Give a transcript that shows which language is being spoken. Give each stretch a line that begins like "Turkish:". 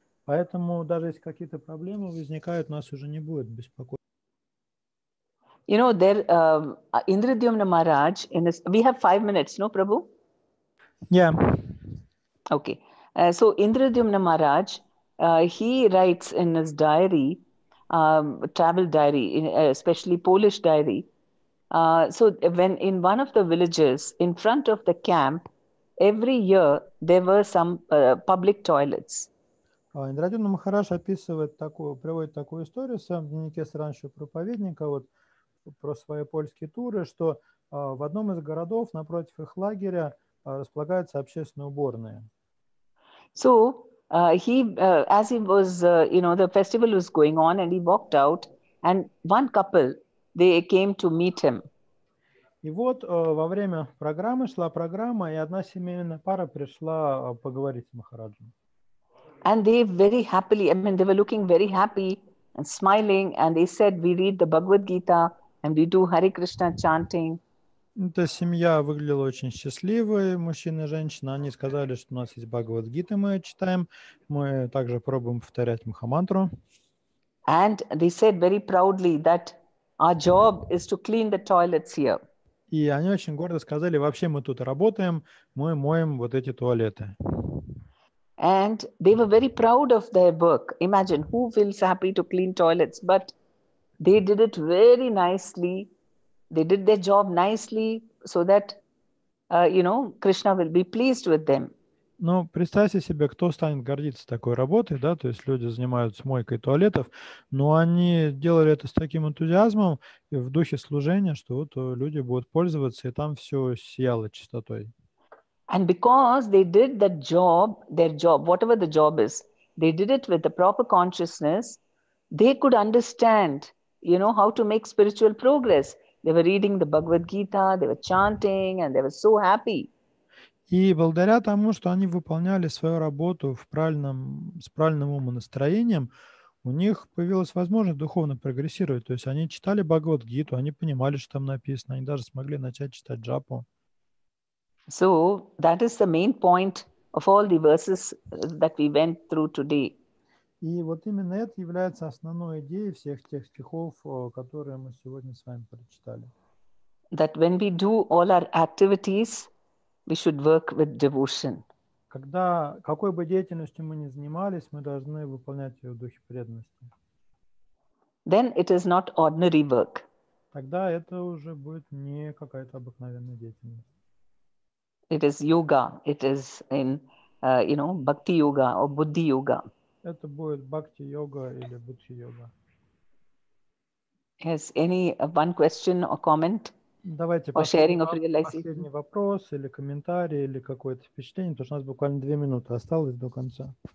Russian: Поэтому даже если какие-то проблемы возникают, нас уже не будет беспокоить.
English: You know, there Indradyumna Maharaj, we have 5 minutes, no, Prabhu? Yeah. Okay. So Indradyumna Maharaj, he writes in his diary, travel diary, especially Polish diary. So when in one of the villages in front of the camp, every year there were some public toilets.
Russian: Индрадюна Махарадж описывает такую, приводит такую историю в своем дневнике странствующего проповедника вот про свои польские туры, что в одном из городов напротив их лагеря располагаются общественные уборные.
English: So he, as he was, you know, the festival was going on, and he walked out, and one couple They came to meet him.
Russian: И вот во время программы шла программа, и одна семейная пара пришла поговорить с Махараджем.
English: And they very happily, I mean, they were looking very happy and smiling, and they said, "We read the Bhagavad Gita and we do Hare Krishna chanting."
Russian: Эта семья выглядела очень счастливой, мужчина и женщина. Они сказали, что у нас есть Бхагавад Гита, мы читаем, мы также пробуем повторять Махамантру.
English: And they said very proudly that our job is to clean the toilets here.
Russian: И они очень гордо сказали, вообще мы тут работаем, мы моем вот эти туалеты.
English: And they were very proud of their work. Imagine, who feels happy to clean toilets? But they did it very nicely. They did their job nicely so that, you know, Krishna will be pleased with them.
Russian: Ну, представьте себе, кто станет гордиться такой работой, да, то есть люди занимаются мойкой туалетов, но они делали это с таким энтузиазмом и в духе служения, что вот люди будут пользоваться, и там все сияло чистотой.
English: And because they did the job, their job, whatever the job is, they did it with the proper consciousness, they could understand, you know, how to make spiritual progress. They were reading the Bhagavad Gita, they were chanting, and they were so happy.
Russian: И благодаря тому, что они выполняли свою работу в правильном, с правильным умонастроением, у них появилась возможность духовно прогрессировать. То есть они читали Бхагавад-гиту, они понимали, что там написано, они даже смогли начать читать джапу.
English: So, that is the main point of all the verses that we went through today.
Russian: И вот именно это является основной идеей всех тех стихов, которые мы сегодня с вами прочитали.
English: That when we do all our activities, we should work with devotion.
Russian: Когда какой бы деятельностью мы ни занимались, мы должны выполнять ее в духе преданности.
English: Then it is not ordinary work.
Russian: Тогда это уже будет не какая-то обыкновенная деятельность.
English: It is yoga. It is in, you know, bhakti yoga or buddhi yoga.
Russian: Это будет бхакти йога или буддхи йога.
English: Has any one question or comment?
Russian: Давайте последний вопрос или комментарий или какое-то впечатление, потому что у нас буквально 2 минуты осталось до конца.